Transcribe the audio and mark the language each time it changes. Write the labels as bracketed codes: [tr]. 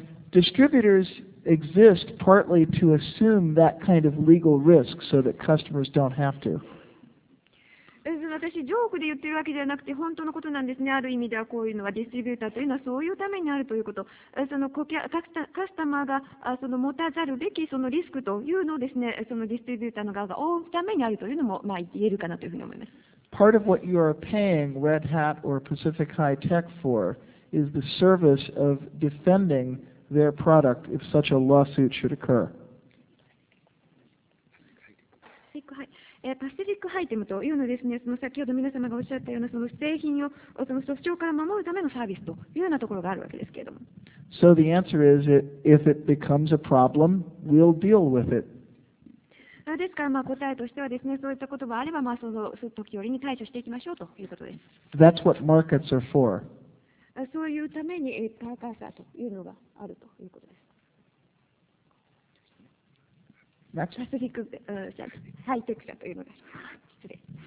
[en] Distributors exist partly to assume that kind of legal risk so that customers don't have to. [ja] 私ジョークで言ってるわけじゃなくて本当のことなんですね。ある意味ではこういうのはディストリビューターというのはそういうためにあるということ。その顧客、カスタマーがその持たざるべきそのリスクというのをですね、そのディストリビューターの側が負うためにあるというのもまあ言えるかなというふうに思います。 [en] Part of what you are paying Red Hat or Pacific High Tech for is the service of defending their product if such a lawsuit should occur. [ja] ティックハイ、パシフィックハイテムというのはですね、その先ほど皆様がおっしゃったようなその製品をその訴訟から守るためのサービスというようなところがあるわけですけれども。 [en] So the answer is, if it becomes a problem, we'll deal with it. [ja] ですからまあ答えとしてはですね、そういったことがあればまあその時折に対処していきましょうということです。 [en] That's what markets are for. [ja] そういうためにパーカーサーというのがあるということです。 [en] That's... [ja] パシフィック、ハイテク社というのが失礼。